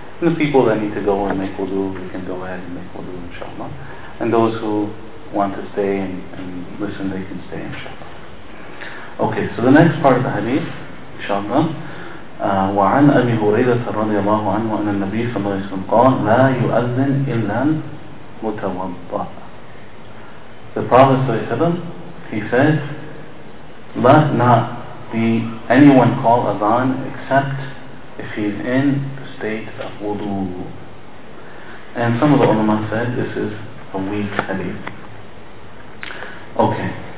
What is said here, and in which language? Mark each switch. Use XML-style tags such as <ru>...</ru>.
<en>And the people that need to go and make wudu, they can go ahead and make wudu, inshallah. And those who want to stay and listen, they can stay, inshallah. Okay, so the next part of the hadith, inshallah.</en> <ar>وعن أبي هريرة رضي الله عنه أن النبي صلى الله عليه وسلم قال لا يؤذن إلا المتوضأ.</ar> <en>The Prophet صلى الله عليه وسلم, he says, let not be anyone call adhan except if he's in the state of wudu. And some of the ulama said this is a weak hadith. Okay.</en>